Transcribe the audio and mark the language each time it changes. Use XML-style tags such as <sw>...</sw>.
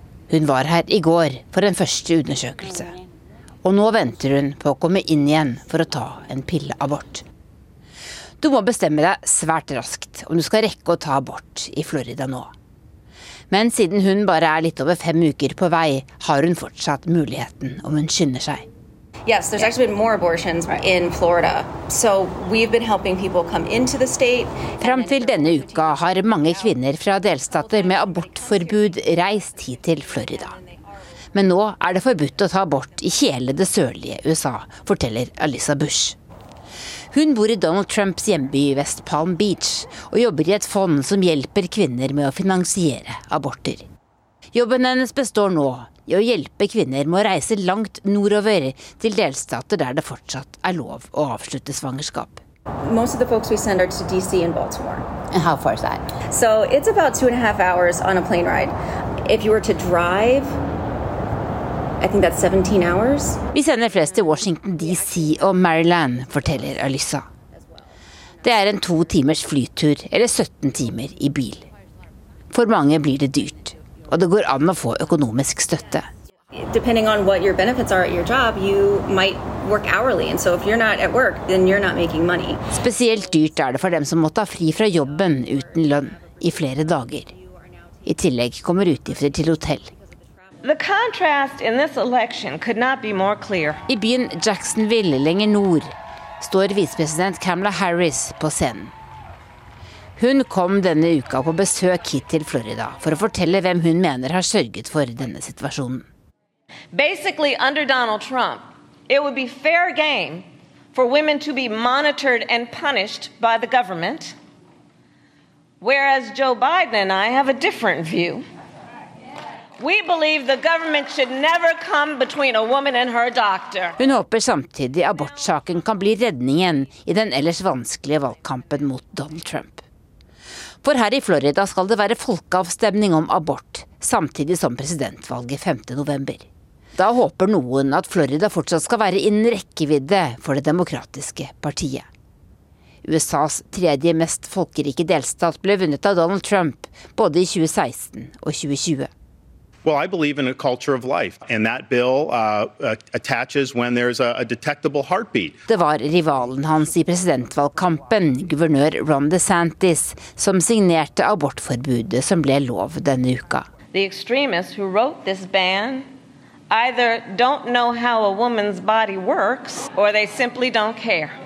<no>Hun var her i går for en første undersøkelse. Og nå venter hun på å komme inn igjen for å ta en pilleabort. Du må bestemme deg svært raskt om du skal rekke å ta abort i Florida nå. Men siden hun bare er litt over 5 uker på vei, har hun fortsatt muligheten om hun skynder seg.</no> <en>Yes, there's actually been more abortions in Florida. So we've been helping people come into the state.</en> <no>Fram til denne uka har mange kvinner fra delstater med abortforbud reist hit til Florida. Men nå er det forbudt å ta abort i hele det sørlige USA, forteller Alyssa Bush. Hun bor i Donald Trumps hjemby i West Palm Beach og jobber i et fond som hjelper kvinner med å finansiere aborter. Jobben hennes består nå i å hjelpe kvinner med å reise langt nordover til delstater der det fortsatt er lov å avslutte svangerskap.</no> <en>Most of the folks we send are to DC and Baltimore. And how far is that? So it's about 2.5 hours on a plane ride. If you were to drive, I think that's 17 hours.</en> <no>Vi sender flest til Washington DC og Maryland, forteller Alyssa. Det er en 2 timers flytur, eller 17 timer i bil. For mange blir det dyrt, og det går an å få økonomisk støtte. Depending on what your benefits are at your job, you might work hourly, and so if you're not at work, then you're not making money. Spesielt dyrt er det for dem som må ta fri fra jobben uten lønn i flere dager. I tillegg kommer utgifter til hotell.</no> <en>The contrast in this election could not be more clear.</en> <no>I byen Jacksonville, lenger nord, står visepresident Kamala Harris på scenen. Hun kom denne uka på besøk hit til Florida for å fortelle hvem hun mener har sørget for denne situasjonen.</no> <en>Basically, under Donald Trump, it would be fair game for women to be monitored and punished by the government, whereas Joe Biden and I have a different view. We believe the government should never come between a woman and her doctor.</en> <no>Hun håper samtidig abortsaken kan bli redningen i den ellers vanskelige valgkampen mot Donald Trump. For her i Florida skal det være folkeavstemning om abort, samtidig som presidentvalget 5. november. Da håper noen at Florida fortsatt skal være innen rekkevidde for det demokratiske partiet. USAs tredje mest folkerike delstat, ble vunnet av Donald Trump både I 2016 og 2020.</no> <en>Well, I believe in a culture of life, and that bill attaches when there's a detectable heartbeat.</en> <no>Det var rivalen hans I presidentvalgkampen, guvernør Ron DeSantis, som signerte abortforbudet som ble lov denne uka.</no> <en>The extremists who wrote this ban either don't know how a woman's body works, or they simply don't care.</en>